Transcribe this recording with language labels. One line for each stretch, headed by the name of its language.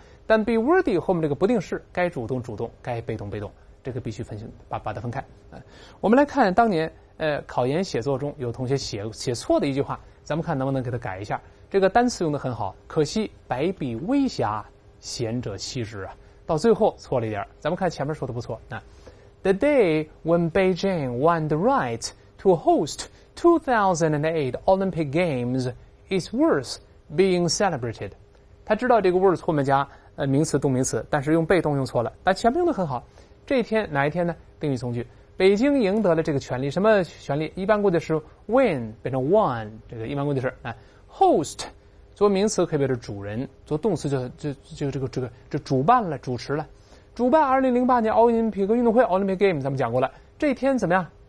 Chinese: 但 be worthy 后面这个不定式，该主动主动，该被动被动，这个必须分清，把它分开。我们来看当年考研写作中有同学写错的一句话，咱们看能不能给他改一下。这个单词用得很好，可惜白笔微瑕，贤者惜之啊。到最后错了一点，咱们看前面说的不错。
English: The day when Beijing won the right to host 2008 Olympic Games is worth being celebrated。
Chinese: 他知道这个 worth 后面加名词动名词，但是用被动用错了，但前面用得很好。这一天哪一天呢？定语从句。北京赢得了这个权利，什么权利？一般过去是 win 变成 won， 这个一般过去式。host 做名词可以表示主人，做动词就主办了，主持了，主办2008年奥林匹克运动会 Olympic Game， 咱们讲过了，这一天怎么样？